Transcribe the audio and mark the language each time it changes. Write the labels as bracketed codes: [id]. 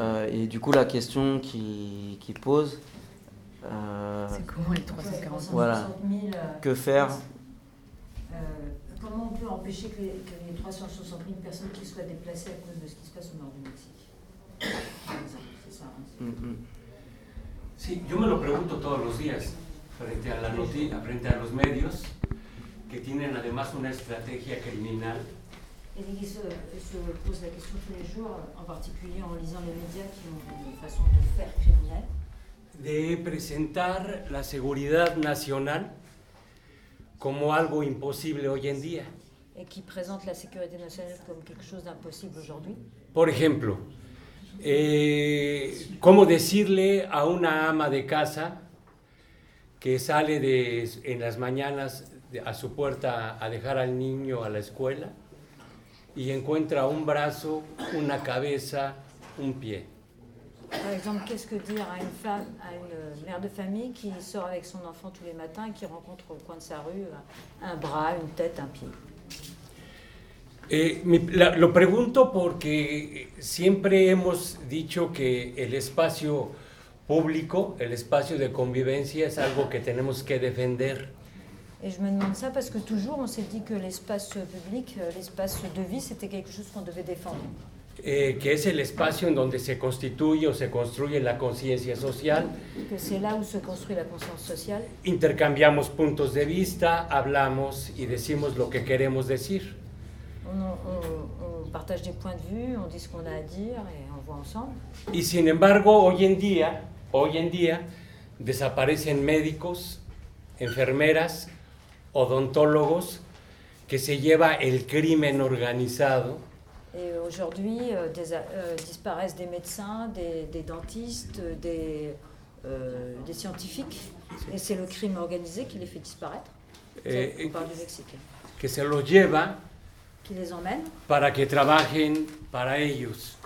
[fr] et du coup, la question qu'il pose... c'est comment les 340 voilà. 000... Que faire comment on peut empêcher que les 360 000 personnes qui soient déplacées à cause de ce qui se passe au nord du Mexique. C'est ça. Hein. [es] Sí, yo me lo pregunto todos los días frente a la noticia, frente a los medios que tienen además una estrategia criminal. [fr] Et donc, se pose la question tous les jours, en particulier en lisant les médias qui ont une façon de faire criminelle. [es] De presentar la seguridad nacional como algo imposible hoy en día. Y que presenta la seguridad nacional como algo imposible hoy en día. Por ejemplo, ¿cómo decirle a una ama de casa que sale en las mañanas a su puerta a dejar al niño a la escuela y encuentra un brazo, una cabeza, un pie? [fr] Par exemple, qu'est-ce que dire à une femme, à une mère de famille qui sort avec son enfant tous les matins et qui rencontre au coin de sa rue un bras, une tête, un pied? [es] Lo pregunto porque siempre hemos dicho que el espacio público, el espacio de convivencia es algo que tenemos que defender. [fr] Et je me demande ça parce que toujours on s'est dit que l'espace public, l'espace de vie, c'était quelque chose qu'on devait défendre. [es] Que es el espacio en donde se constituye o se construye la conciencia social. [fr] Que c'est là où se construit la conscience sociale. [es] Intercambiamos puntos de vista, hablamos y decimos lo que queremos decir. [fr] On partage des points de vue, on dit ce qu'on a à dire et on voit ensemble. [es] Y sin embargo, hoy en día, desaparecen médicos, enfermeras, odontólogos, que se lleva el crimen organizado. [fr] Et aujourd'hui, disparaissent des médecins, des dentistes, des scientifiques. Et c'est le crime organisé qui les fait disparaître. On parle du Mexique. [es] Que se los lleva. [fr] Qui les emmène. [es] Para que trabajen para ellos.